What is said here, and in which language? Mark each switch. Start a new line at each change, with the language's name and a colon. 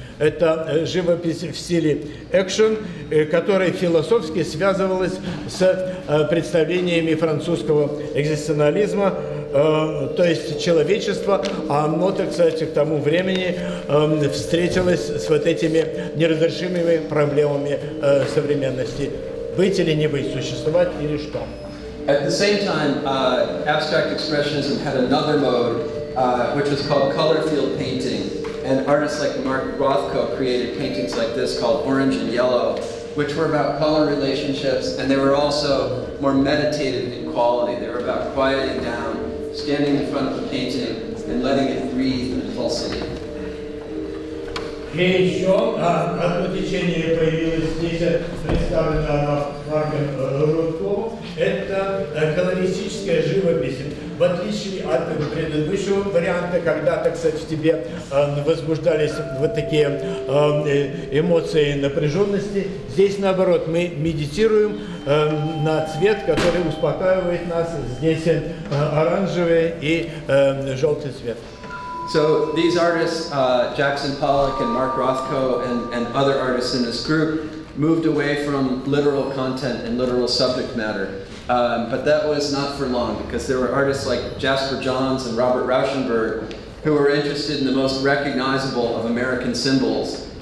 Russian: Это живопись в стиле экшен, которая философски связывалась с представлениями французского экзистенциализма. То есть человечество, оно, так сказать, к тому времени встретилось с вот этими неразрешимыми проблемами современности. Быть или не быть, существовать или что.
English: At the same time, abstract expressionism had another mode, which was called color field painting. And artists like Mark Rothko created paintings like this called Orange and Yellow, which were about color relationships, and they were also more meditative in quality. They were about quieting down, standing in front of the painting, and letting it breathe and pulsate.
Russian: И еще одно течение появилось здесь, представлено Марком Рудко, это колористическая живопись. В отличие от предыдущего варианта, когда, так сказать, в тебе возбуждались вот такие эмоции напряженности, здесь наоборот, мы медитируем на цвет, который успокаивает нас. Здесь оранжевый и желтый цвет.
English: So these artists, Jackson Pollock and Mark Rothko and other artists in this group, moved away from literal content and literal subject matter. But that was not for long, because there were artists like Jasper Johns and Robert Rauschenberg who were interested in the most recognizable of American symbols.